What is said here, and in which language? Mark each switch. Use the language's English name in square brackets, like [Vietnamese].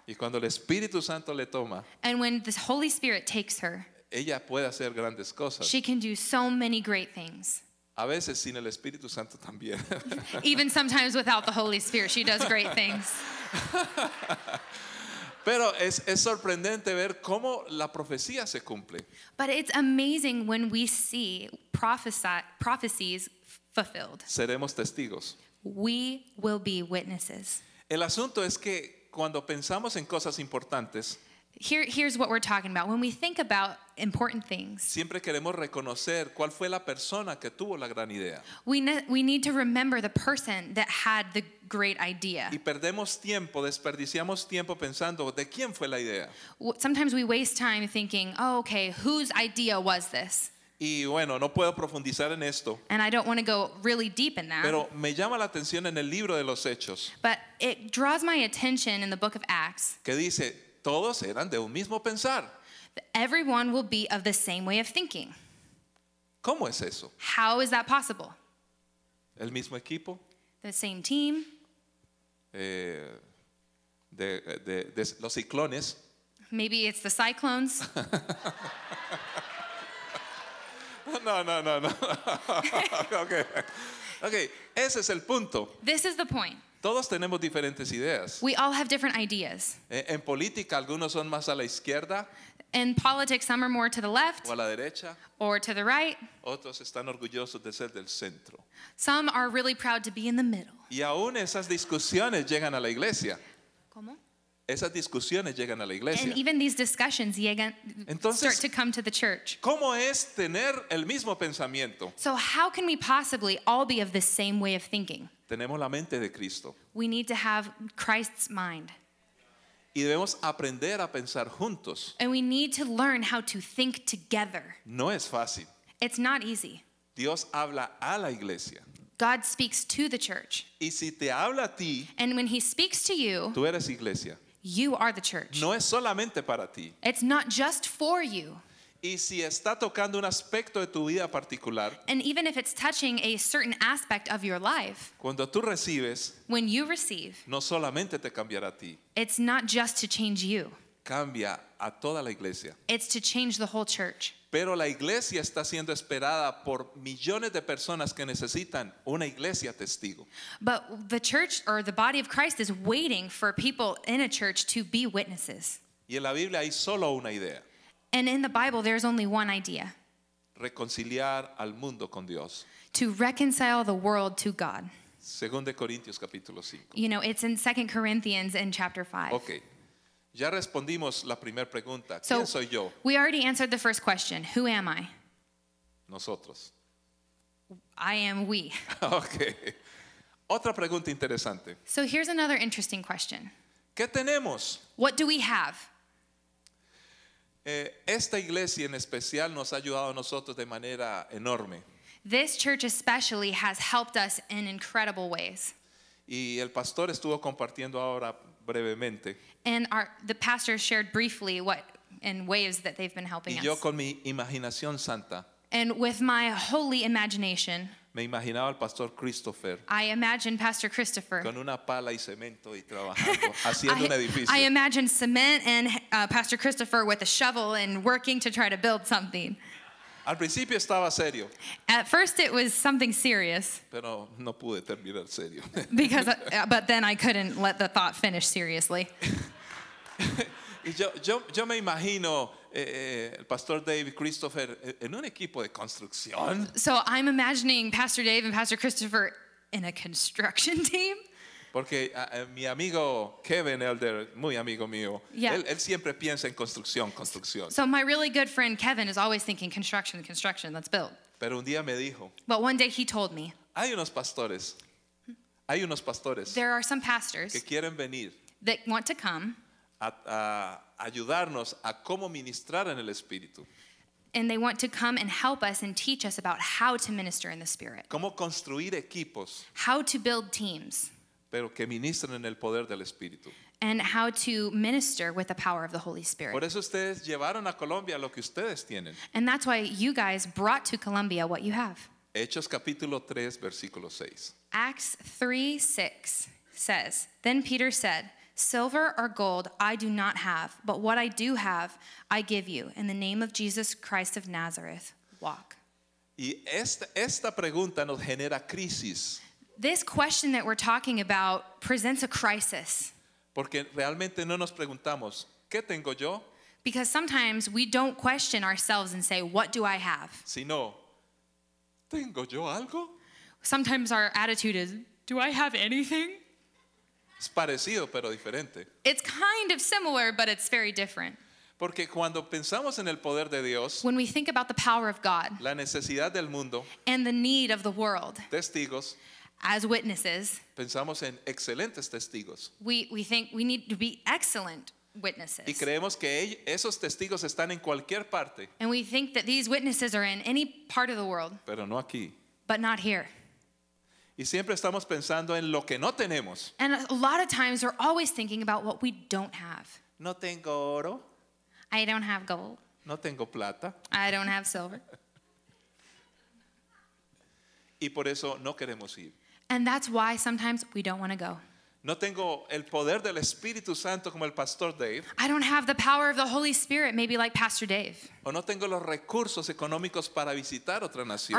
[Spanish] Y cuando el Espíritu Santo le toma, [English] and when the Holy Spirit takes her, [Spanish] ella puede hacer grandes cosas. [English] She can do so many great things. [Spanish] A veces sin el Espíritu Santo también. [English] Even sometimes without the Holy Spirit, she does great things. [Spanish] Pero es sorprendente ver cómo la profecía se cumple. [English] But it's amazing when we see prophecies fulfilled. [Spanish] Seremos testigos. [English] We will be witnesses. [Spanish] El asunto es que cuando pensamos en cosas importantes, [English] Here's what we're talking about. When we think about important things, [Spanish] siempre queremos reconocer cuál fue la persona que tuvo la gran idea. [English] We need to remember the person that had the great idea. [Spanish] Y perdemos tiempo, desperdiciamos tiempo pensando de quién fue la idea. [English] Sometimes we waste time thinking, oh, okay, whose idea was this? [Spanish] Y bueno, no puedo profundizar en esto. [English] And I don't want to go really deep in that. [Spanish] Pero me llama la atención en el libro de los Hechos. [English] But it draws my attention in the book of Acts. [Spanish] Que dice, todos eran de un mismo pensar. [English] Everyone will be of the same way of thinking. [Spanish] ¿Cómo es eso? [English] How is that possible? [Spanish] El mismo equipo. [English] The same team. [Spanish] De los ciclones. [English] Maybe it's the cyclones. [Spanish] No. Okay. Okay, ese es el punto. [English] This is the point. [Spanish] Todos tenemos diferentes ideas. [English] We all have different ideas. [Spanish] En política, algunos son más a la izquierda. [English] In politics, some are more to the left. [Spanish] O a la derecha. [English] Or to the right. [Spanish] Otros están orgullosos de ser del centro. [English] Some are really proud to be in the middle. [Spanish] Y aún esas discusiones llegan a la iglesia. ¿Cómo? Esas discusiones llegan a la iglesia. [English] And even these discussions start to come to the church. [Spanish] ¿Cómo es tener el mismo pensamiento? [English] So how can we possibly all be of the same way of thinking? [Spanish] Tenemos la mente de Cristo. [English] We need to have Christ's mind. [Spanish] Y debemos aprender a pensar juntos. [English] And we need to learn how to think together. [Spanish] No es fácil. [English] It's not easy. [Spanish] Dios habla a la iglesia. [English] God speaks to the church. [Spanish] Y si te habla a ti, [English] and when he speaks to you, [Spanish] tú eres iglesia. [English] You are the church. [Spanish] No es solamente para ti. [English] It's not just for you. [Spanish] Y si está tocando un aspecto de tu vida particular, [English] and even if it's touching a certain aspect of your life, [Spanish] cuando tú recibes, [English] when you receive, [Spanish] no solamente te cambiará a ti. [English] It's not just to change you. [Spanish] Cambia a toda la iglesia. [English] It's to change the whole church. [Spanish] Pero la iglesia está siendo esperada por millones de personas que necesitan una iglesia testigo. [English] But the church or the body of Christ is waiting for people in a church to be witnesses. [Spanish] Y en la Biblia hay solo una idea. [English] And in the Bible, there's only one idea. [Spanish] reconciliar al mundo con Dios. [English] To reconcile the world to God. [Spanish] Segunda Corintios capítulo 5. [English] You know, it's in 2 Corinthians in chapter 5. [Spanish] Okay. Ya respondimos la primera pregunta. ¿Quién soy yo? [English] We already answered the first question. Who am I? [Spanish] Nosotros. [English] I am we. [Spanish] Okay. Otra pregunta interesante. [English] So here's another interesting question. [Spanish] ¿Qué tenemos? [English] What do we have? [Spanish] Esta iglesia en especial nos ha ayudado a nosotros de manera enorme. [English] This church especially has helped us in incredible ways. [Spanish] Y el pastor estuvo compartiendo ahora brevemente. [English] And the pastor shared briefly what in ways that they've been helping us. [Spanish] Y yo [English] us. [Spanish] Con mi imaginación santa. [English] And with my holy imagination. [Spanish] Me imaginaba al pastor Christopher. [English] I imagine Pastor Christopher. [Spanish] Con una pala y cemento y trabajando haciendo un edificio. [English] I imagine cement and Pastor Christopher with a shovel and working to try to build something. [Spanish] Al principio estaba serio. [English] At first it was something serious. [Spanish] Pero no pude terminar serio. [English] Because but then I couldn't let the thought finish seriously. [Spanish] Yo me imagino el pastor Dave y Christopher en un equipo de construcción. [English] So I'm imagining Pastor Dave and Pastor Christopher in a construction team. [Spanish] Porque mi amigo Kevin Elder, muy amigo mío, [English] yeah. [Spanish] él siempre piensa en construcción, construcción. [English] So my really good friend Kevin is always thinking construction, construction, let's build. [Spanish] Pero un día me dijo. [English] But one day he told me. [Spanish] Hay unos pastores. [English] There are some pastors. [Spanish] Que quieren venir. [English] That want to come. [Spanish] A ayudarnos a cómo ministrar en el Espíritu. [English] And they want to come and help us and teach us about how to minister in the Spirit. [Spanish] Cómo construir equipos. [English] How to build teams. [Spanish] Pero que ministren en el poder del Espíritu. [English] And how to minister with the power of the Holy Spirit. [Spanish] Por eso ustedes llevaron a Colombia lo que ustedes tienen. [English] And that's why you guys brought to Colombia what you have. [Spanish] Hechos capítulo 3, versículo 6. [English] Acts 3, 6 says, Then Peter said, Silver or gold I do not have, but what I do have I give you. In the name of Jesus Christ of Nazareth, walk. [Spanish] Y esta pregunta nos genera crisis. [English] This question that we're talking about presents a crisis. [Spanish] Porque realmente no nos preguntamos, ¿qué tengo yo? [English] Because sometimes we don't question ourselves and say, what do I have? [Spanish] Sino, ¿tengo yo algo? [English] Sometimes our attitude is, do I have anything? [Spanish] Es parecido, pero diferente. [English] It's kind of similar, but it's very different. [Spanish] Porque cuando pensamos en el poder de Dios, [English] when we think about the power of God, [Spanish] la necesidad del mundo, [English] and the need of the world, [Spanish] testigos, [English] as witnesses, [Spanish] pensamos en excelentes testigos. [English] We think we need to be excellent witnesses. [Spanish] Y creemos que esos testigos están en cualquier parte. [English] And we think that these witnesses are in any part of the world. [Spanish] Pero no aquí. [English] But not here. [Spanish] Y siempre estamos pensando en lo que no tenemos. [English] And a lot of times we're always thinking about what we don't have. [Spanish] No tengo oro. [English] I don't have gold. [Spanish] No tengo plata. [English] I don't have silver. [Spanish] Y por eso no queremos ir. [English] And that's why sometimes we don't want to go. [Spanish] No tengo el poder del Espíritu Santo como el Pastor Dave. [English] I don't have the power of the Holy Spirit, maybe like Pastor Dave. [Spanish] O no tengo los recursos económicos para visitar otra nación.